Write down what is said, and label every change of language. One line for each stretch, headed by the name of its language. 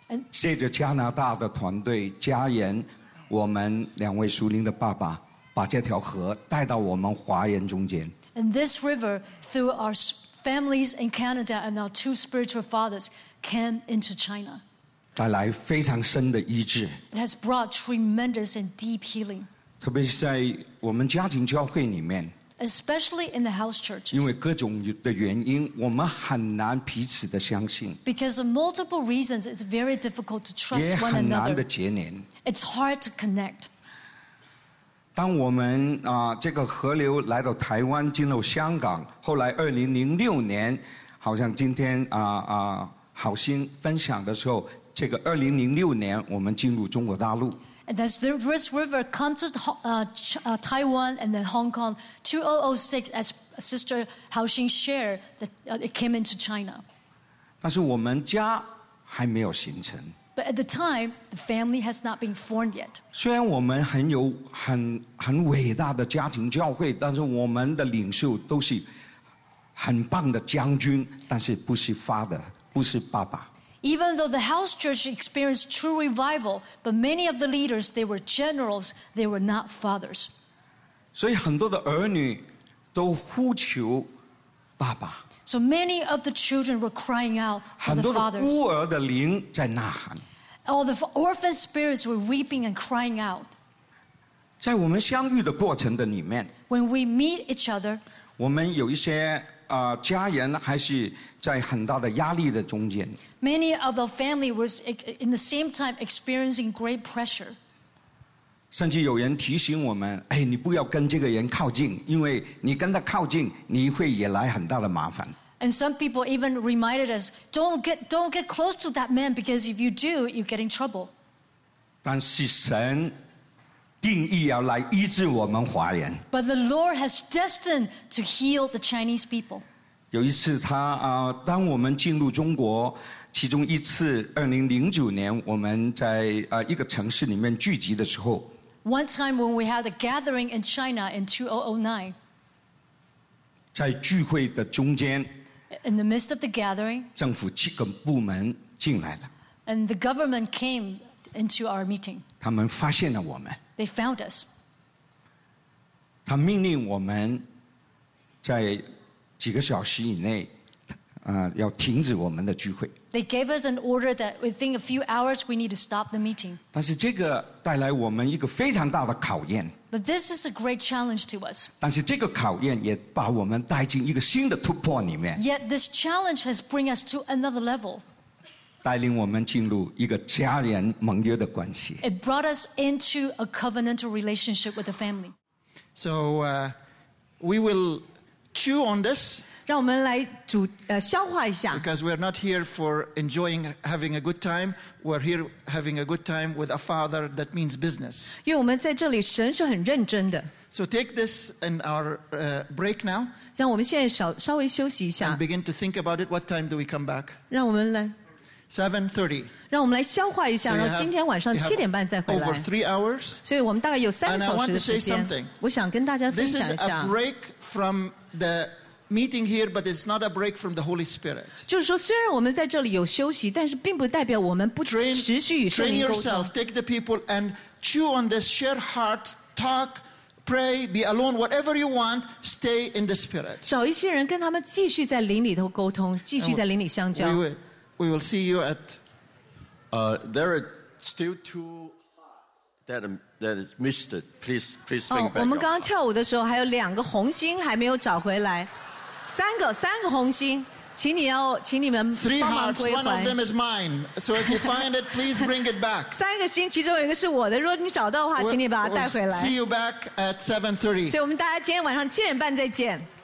Chinese: 借着加拿大的团队家人我们两位属灵的爸爸。把这条河带到我们华人中间。
English: And this river, through our families in Canada and our two spiritual fathers, came into China.
Chinese: 带来非常深的医治。
English: It has brought tremendous and deep healing.
Chinese: 特别是在我们家庭教会里面。
English: Especially in the house churches.
Chinese: 因为各种的原因，我们很难彼此的相信。
English: Because of multiple reasons, it's very difficult to trust one another.
Chinese: 也很难的结连。
English: It's hard to connect.
Chinese: 当我们这个河流来到台湾进入香港后来2006年好像今天好心分享的时候这个2006年我们进入中国大陆。
English: And as this river comes to Taiwan and then Hong Kong, 2006, as Sister Hao Xin shared, that it came into China.
Chinese: 但是我们家还没有形成。
English: But at the time, the family has not been formed yet.
Chinese: 虽然我们很有很伟大的家庭教会，但是我们的领袖都是很棒的将军，但是不是 father， 不是爸爸。
English: Even though the house church experienced true revival, but many of the leaders, they were generals, they were not fathers.
Chinese: 所以很多的儿女都呼求爸爸。
English: So many of the children were crying out for the fathers.
Chinese: 很多的孤儿的灵在呐喊。
English: All the orphan spirits were weeping and crying out.
Chinese: 在我们相遇的过程的里面。
English: When we meet each other.
Chinese: 我们有一些家人还是在很大的压力的中间。
English: Many of the family was in the same time experiencing great pressure.
Chinese: 甚至有人提醒我们，哎，你不要跟这个人靠近，因为你跟他靠近，你会也来很大的麻烦。
English: And some people even reminded us, don't get close to that man because if you do, you get in trouble.
Chinese: 但是神定义要来医治我们华人。
English: But the Lord has destined to heal the Chinese people.
Chinese: 有一次他当我们进入中国，其中一次2009年我们在一个城市里面聚集的时候。
English: One time when we had a gathering in China in 2009.
Chinese: 在聚会的中间。
English: In the midst of the gathering.
Chinese: 政府七个部门进来了。
English: And the government came into our meeting.
Chinese: 他们发现了我们。
English: They found us.
Chinese: 他命令我们在几个小时以内要停止我们的聚会。
English: They gave us an order that within a few hours we need to stop the meeting.
Chinese: 但是这个带来我们一个非常大的考验。
English: But this is a great challenge to us.
Chinese: 但是这个考验也把我们带进一个新的突破里面。
English: Yet this challenge has brought us to another level.
Chinese: 带领我们进入一个家人盟约的关系。
English: It brought us into a covenantal relationship with the family. So we will chew on this.
Chinese: 让我们来煮消化一下。
English: Because we're not here for enjoying having a good time, we're here having a good time with a father that means business.
Chinese: 因为我们在这里，神是很认真的。
English: So take this in our break now.
Chinese: 让我们现在稍微休息一下。
English: And begin to think about it. What time do we come back?
Chinese: 让我们来
English: 7:30.
Chinese: 让我们来消化一下，然后今天晚上七点半再回来。
English: Over 3 hours.
Chinese: 所以我们大概有三个小时的时间。
English: And I want to say something.
Chinese: 我想跟大家分享一下。
English: This is a break from the. Meeting here, but it's not a break from the Holy Spirit.
Chinese: 就是说，虽然我们在这里有休息，但是并不代表我们不持续与圣灵沟通。
English: Train yourself, take the people and chew on this. Share heart, talk, pray, be alone, whatever you want. Stay in the Spirit.
Chinese: 找一些人跟他们继续在灵里头沟通，继续在灵里相交。
English: We will see you at. There are still two that is missed. Please bring back.
Chinese: 我们刚刚跳舞的时候还有两个红心还没有找回来。三个红心，请你要，请你们帮忙归还。
English: Three hearts, one of them is mine. So if you find it, please bring it back.
Chinese: 三个心，其中有一个是我的。如果你找到的话，请你把它带回来。
English: We'll see you back at 7:30.
Chinese: 所以我们大家今天晚上七点半再见。